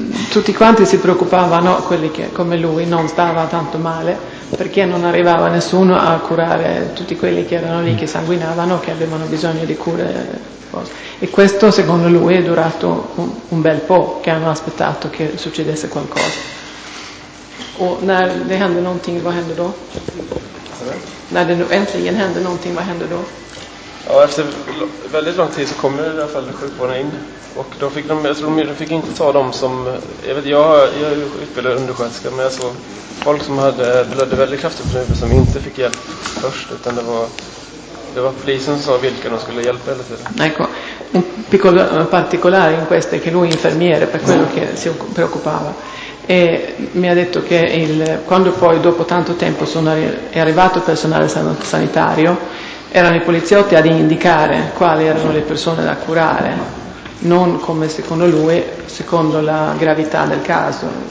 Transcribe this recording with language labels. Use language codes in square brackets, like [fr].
[it] Tutti quanti si preoccupavano, quelli che come lui non stava tanto male, perché non arrivava nessuno a curare tutti quelli che erano lì, che sanguinavano, che avevano bisogno di cure. E questo secondo lui è durato un bel po', che hanno aspettato che succedesse qualcosa. [sv] O när det hände någonting, vad hände då? När det äntligen hände någonting, vad hände då? Ja, efter väldigt lång tid så kommer i alla fall sjukvården in. Och då fick de fick inte ta dem som... Jag är utbildad undersköterska, men jag såg folk som hade blödde väldigt kraftigt på huvudet som inte fick hjälp först, utan det var polisen som sa vilka de skulle hjälpa hela tiden. [it] Ecco, un piccolo particolare in questo è che lui infermiere, per quello che si preoccupava, e mi ha detto che quando poi dopo tanto tempo è arrivato il personale sanitario, erano i poliziotti ad indicare quali erano le persone da curare, non come secondo lui, secondo la gravità del caso.